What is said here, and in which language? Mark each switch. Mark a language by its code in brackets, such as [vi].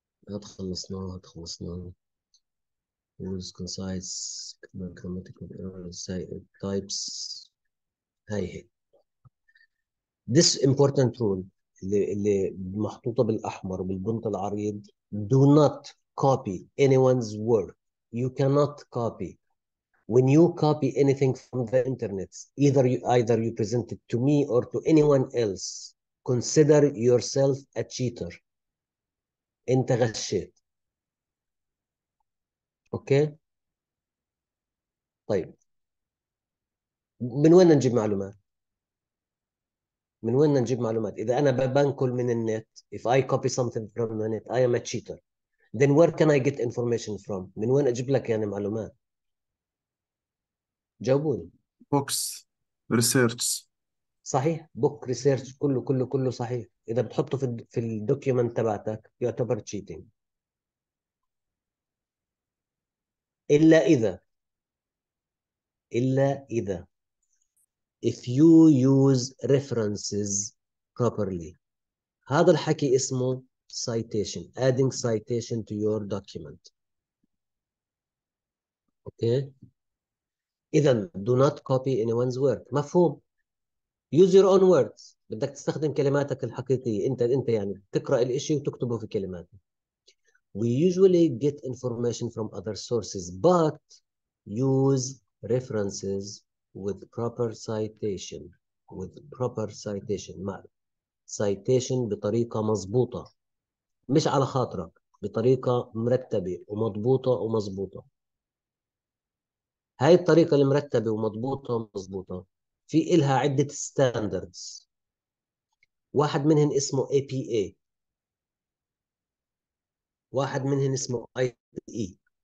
[ar] هتخلصنا [en] rules concise grammatical errors types. [ar] هاي هي [en] this important rule [ar] اللي محطوطة بالأحمر بالبنط العريض. [en] Do not copy anyone's work. You cannot copy. When you copy anything from the internet, either you present it to me or to anyone else, consider yourself a cheater. [ar] أنت غشيت. أوكي؟ طيب. من وين نجيب معلومات؟ من وين نجيب معلومات؟ إذا أنا بنكل من النت، [en] if I copy something from the net, I am a cheater. Then where can I get information from؟ [ar] من وين أجيب لك يعني معلومات؟ [en] جاوبوني. Box research. [ar] صحيح، [en] book research [ar] كله صحيح. إذا بتحطه في الدوكيومنت تبعتك يعتبر cheating. إلا إذا [en] if you use references properly. [ar] هذا الحكي اسمه [en] citation, adding citation to your document. Okay. إذا do not copy anyone's work. [ar] مفهوم. [en] Use your own words. [ar] بدك تستخدم كلماتك الحقيقية. أنت يعني تقرأ الإشي وتكتبه في كلماتك. [en] We usually get information from other sources, but use references with proper citation. With proper citation. [ar] مع citation بطريقة مظبوطة. مش على خاطرك. بطريقة مرتبة ومضبوطة ومظبوطة. هاي الطريقة المرتبة ومضبوطة ومظبوطة في إلها عدة ستاندردز، واحد منهم اسمه APA، واحد منهم اسمه IEEE.